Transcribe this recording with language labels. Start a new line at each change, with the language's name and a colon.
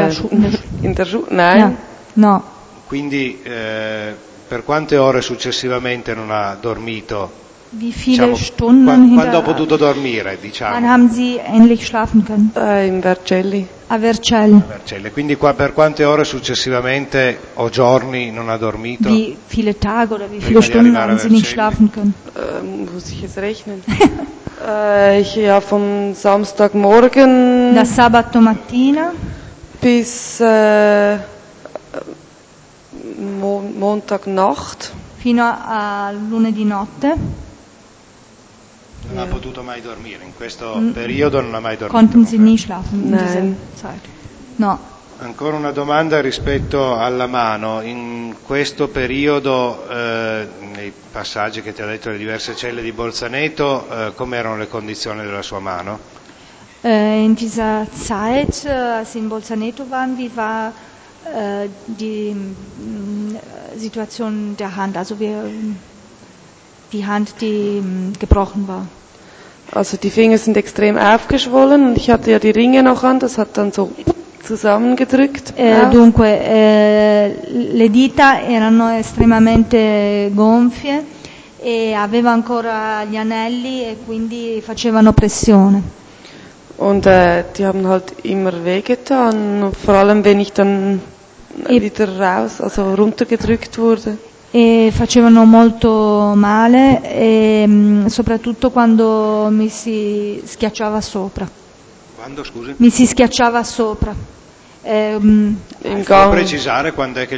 German: Nein. Ja. No.
Italian: Quindi per quante ore successivamente non ha dormito?
German: Wie viele Stunden
Italian: quando ho potuto dormire, diciamo.
German: Wann haben Sie endlich schlafen können? In Vercelli.
Italian: A Vercelli. A Vercelli. Quindi qua per quante ore successivamente o giorni non ha dormito?
German: Wie viele Tage oder wie viele Stunden haben Sie nicht schlafen können? Muss ich jetzt rechnen? ja, vom Samstagmorgen.
Italian: Da sabato mattina.
German: Bis Montagnacht.
Italian: Fino a lunedì notte. Non ha potuto mai dormire, in questo periodo non ha mai dormito.
German: Konnten Sie nie schlafen in dieser Zeit?
Italian: No. Ancora una domanda rispetto alla mano. In questo periodo, nei passaggi che ti ha detto, le diverse celle di Bolzaneto, come erano le condizioni della sua mano?
German: In dieser Zeit, als in Bolzaneto waren, wie war die Situation der Hand? Also die Hand, die gebrochen war. Also die Finger sind extrem aufgeschwollen und ich hatte ja die Ringe noch an, das hat dann so zusammengedrückt.
Italian: Dunque, le dita erano estremamente gonfie e aveva ancora gli anelli e quindi facevano pressione.
German: Und die haben halt immer wehgetan, vor allem wenn ich dann wieder raus, also runtergedrückt wurde.
Italian: E facevano molto male e soprattutto quando mi si schiacciava sopra. Quando, scusi? Mi si schiacciava sopra. Non precisare quando è che gli